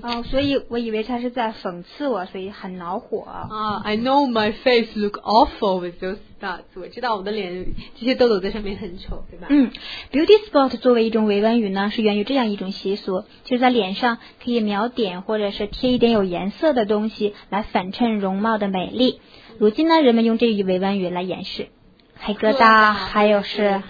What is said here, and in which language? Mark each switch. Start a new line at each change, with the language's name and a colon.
Chinese: 所以我以为他是在讽刺我，所以很恼火。
English: I know my face look awful with those spots.
Chinese: 我知道我的脸这些痘痘在上面很丑，对吧？ beauty spot 作为一种委婉语呢，是源于这样一种习俗，就是在脸上可以描点或者是贴一点有颜色的东西来反衬容貌的美丽。如今呢，人们用这一委婉语来掩饰黑疙瘩，还有是